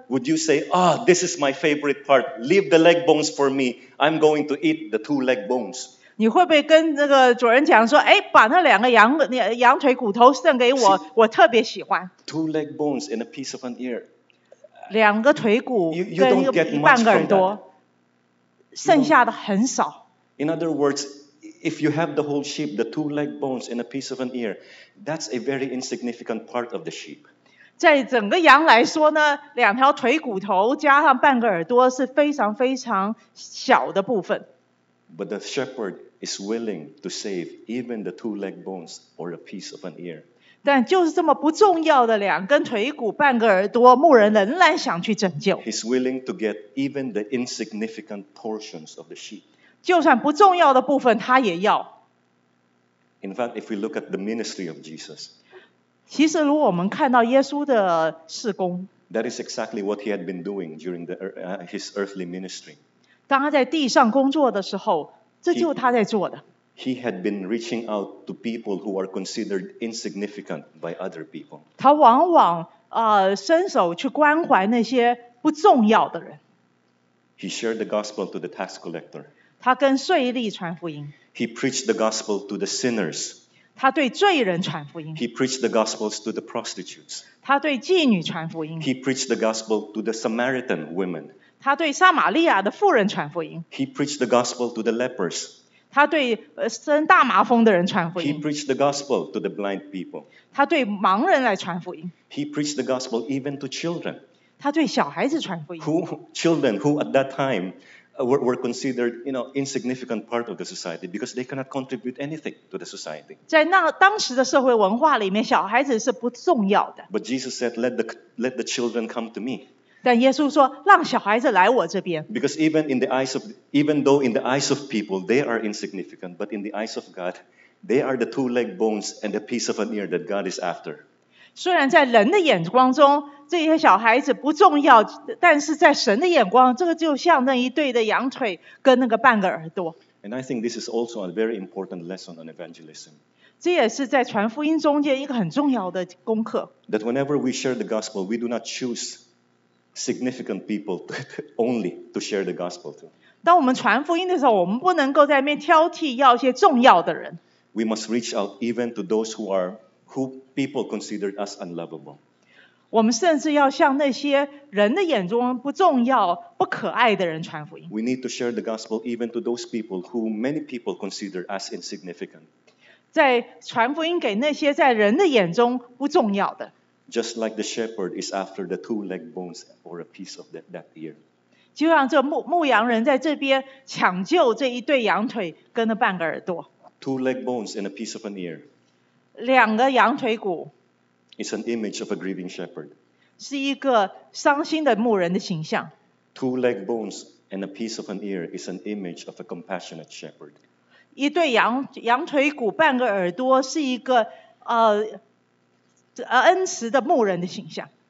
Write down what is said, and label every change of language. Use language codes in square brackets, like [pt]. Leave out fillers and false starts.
[en] ？Would you say, "Ah,、oh, this is my favorite part. Leave the leg bones for me. I'm going to eat the two leg bones." [zh] 你会不会跟那个主人讲说，哎，把那两个羊腿骨头剩给我， [en] See, [zh] 我特别喜欢。 [en] Two leg bones and a piece of an ear. [zh] 两个腿骨跟一半个耳朵，剩下的很少。 [en] In other words, if you have the whole sheep, the two leg bones and a piece of an ear, that's a very insignificant part of the sheep. [zh] 在整个羊来说呢，两条腿骨头加上半个耳朵是非常非常小的部分。 [en] But the shepherd is willing to save even the two leg bones or a piece of an ear. [zh] 但就是这么不重要的两根腿骨半个耳朵，牧人仍然想去拯救。 [en] He's willing to get even the insignificant portions of the sheep. [zh] 就算不重要的部分他也要。 [en] In fact, if we look at the ministry of Jesus, [zh] 其实如果我们看到耶稣的事工， [en] that is exactly what he had been doing during the, his earthly ministry. [zh] 当他在地上工作的时候，这就是他在做的。 [en] He had been reaching out to people who are considered insignificant by other people. [zh] 他往往、伸手去关怀那些不重要的人。 [en] He shared the gospel to the tax collector. [zh] 他跟税吏传福音。 [en] He preached the gospel to the sinners. [zh] 他对罪人传福音。 [en] He preached the gospel to the prostitutes. [zh] 他对妓女传福音。 [en] He preached the gospel to the Samaritan women. [zh] 他对撒玛利亚的妇人传福音。 [en] He preached the gospel to the lepers. [zh] 他对生大麻风的人传福音。 [en] He preached the gospel to the blind people. [zh] 他对盲人来传福音。 [en] He preached the gospel even to children. [zh] 他对小孩子传福音。 [en] Who, children who at that time were considered, you know, insignificant part of the society because they cannot contribute anything to the society. [zh] 在那当时的社会文化里面，小孩子是不重要的。 [en] But Jesus said, let the children come to me. [zh] 但耶稣说，让小孩子来我这边。 [en] Because even in the eyes of, even though in the eyes of people they are insignificant, but in the eyes of God, they are the two leg bones and the piece of an ear that God is after. [zh] 虽然在人的眼光中，这些小孩子不重要，但是在神的眼光，这个就像那一对的羊腿跟那个半个耳朵。 [en] And I think this is also a very important lesson on evangelism. [zh] 这也是在传福音中间一个很重要的功课。 [en] That whenever we share the gospel, we do not choose. Significant people only to share the gospel to. [zh] 当我们传福音的时候，我们不能够在那边挑剔，要一些重要的人。 [en] We must reach out even to those who people considered as unlovable. [zh] 我们甚至要向那些人的眼中不重要、不可爱的人传福音。 [en] We need to share the gospel even to those people who many people consider as insignificant. [zh] 在传福音给那些在人的眼中不重要的。 [en] Just like the shepherd is after the two leg bones or a piece of that ear. [zh] 就像这牧羊人在这边抢救这一对羊腿跟那半个耳朵。 [en] Two leg bones and a piece of an ear. [zh] 两个羊腿骨。 [en] It's an image of a grieving shepherd. [zh] 是一个伤心的牧人的形象。 [en] Two leg bones and a piece of an ear is an image of a compassionate shepherd. [zh] 一对羊腿骨半个耳朵是一个恩慈的牧人的形象。